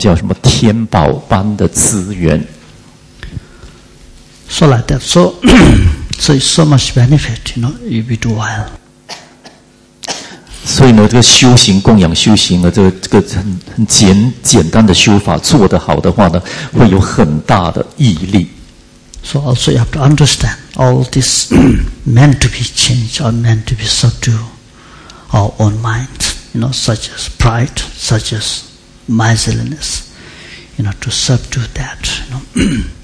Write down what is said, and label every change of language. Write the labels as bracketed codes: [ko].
[zh] 这个供养呢，如果呢修行做得好的话，当然呢，我们会在我们的心里的这心相续里面种下这善的习气。这善的习气将来呢，就会有善的果报。就在我们的将来呢、未来世等等，我们可以享受啊广大的财富资源呢，如天一般广大的，他们叫什么天宝般的资源。 [en] So like that. So, so it's so much benefit, you know, if you do well. [zh] 所以呢，这个修行供养修行的这个很简单的修法做得好的话呢，会有很大的毅力。 [en] So also you have to understand all this meant to be changed or meant to be subdued our own minds, you know, such as pride, such as miserliness, you know, to subdue that, you know.